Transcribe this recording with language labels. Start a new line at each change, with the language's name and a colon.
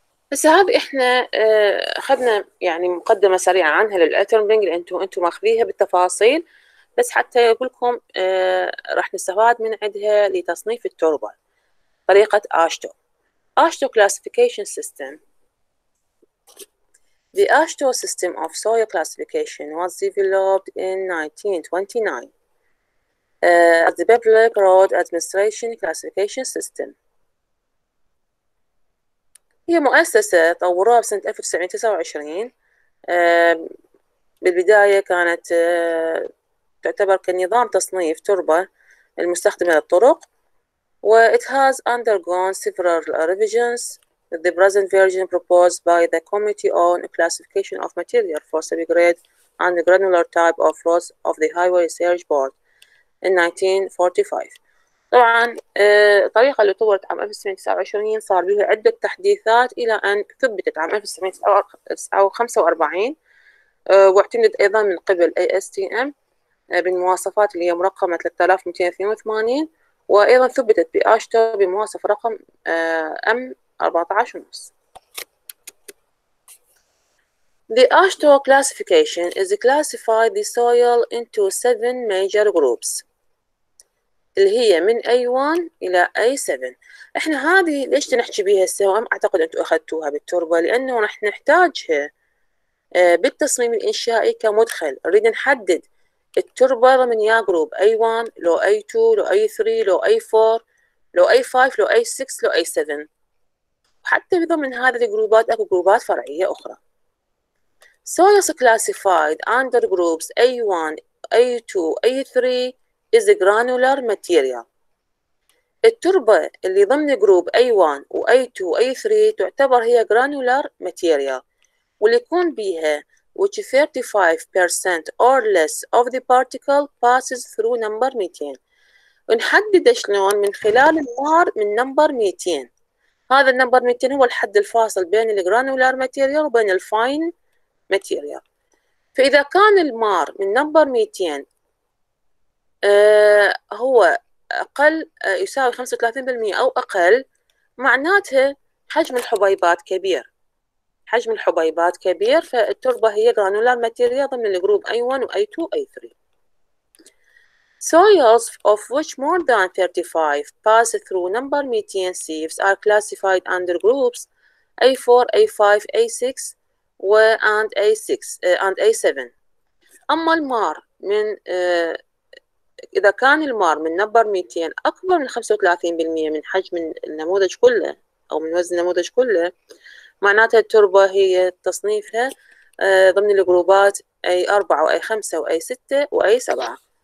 Arabic: بس هذا احنا اخذنا يعني مقدمة سريعة عنها للاترمبنج اللي انتم ماخذيها بالتفاصيل، بس حتى اقول لكم راح نستفاد من عندها لتصنيف التربة طريقة اشتو.
English: ASHTO classification system. The ASHTO system of soil classification was developed in 1929 as the Public Road Administration classification system.
Arabic: هي مؤسسة طوروها بسنة 1929. بالبداية كانت تعتبر كنظام تصنيف تربة المستخدمة للطرق.
English: It has undergone several revisions. The present version proposed by the Committee on Classification of Material for Semi-Grade and Granular Type of Roads of the Highway Research Board in 1945.
Arabic: طبعا الطريقة اللي طورت عام 1929 صار بها عدة تحديثات إلى أن ثبتت عام 1945 واعتمدت أيضا من قبل ASTM بالمواصفات اللي هي مرقمة 3282 وأيضا ثبتت بأشتو بمواصف رقم M 14.5.
English: The AASHTO classification is to classify the soil into seven major groups.
Arabic: اللي هي من A1 إلى A7. إحنا هذه ليش نحكي بها هسه؟ أعتقد أنتم أخذتوها بالتربة لأنه راح نحتاجها بالتصميم الإنشائي كمدخل. نريد نحدد التربة ضمن يا جروب A1 لو A2 لو A3 لو A4 لو A5 لو A6 لو A7. حتى بضمن هذه الجروبات اكو جروبات فرعيه اخرى.
English: Soils classified under groups A1, A2, A3 is granular material.
Arabic: التربه اللي ضمن جروب A1 و A2 A3 تعتبر هي granular material واللي يكون بيها
English: which 35% or less of the particle passes through number 200.
Arabic: نحدد شلون؟ من خلال المار من number 200. هذا النمبر 200 هو الحد الفاصل بين الجرانولار ماتيريال وبين الفاين ماتيريال. فإذا كان المار من نمبر 200 هو أقل يساوي 35% أو أقل، معناتها حجم الحبيبات كبير. حجم الحبيبات كبير، فالتربة هي جرانولار ماتيريال ضمن الجروب A1 وA2 وA3.
English: Soils of which more than 35 pass through number 200 sieves are classified under groups A4, A5, A6 and A6 and A7.
Arabic: أما المار من إذا كان المار من number 200 أكبر من 35% من حجم النموذج كله أو من وزن النموذج كله، معناتها التربة هي تصنيفها ضمن الجروبات A4 وA5 وA6 وA7.